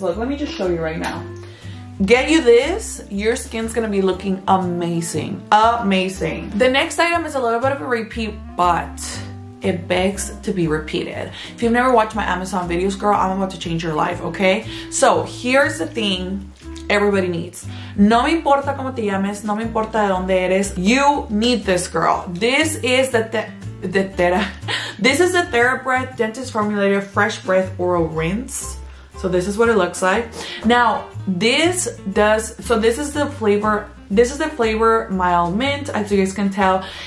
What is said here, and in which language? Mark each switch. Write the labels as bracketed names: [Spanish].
[English] Look, let me just show you right now. Get you this, your skin's gonna be looking amazing. Amazing. The next item is a little bit of a repeat, but it begs to be repeated. If you've never watched my Amazon videos, girl, I'm about to change your life, okay? So here's the thing everybody needs. [Spanish] No me importa cómo te llames, no me importa de dónde eres. [English] You need this, girl. This is this is the TheraBreath Dentist Formulated Fresh Breath Oral Rinse. So this is what it looks like. Now, this does, so this is the flavor, mild mint, as you guys can tell.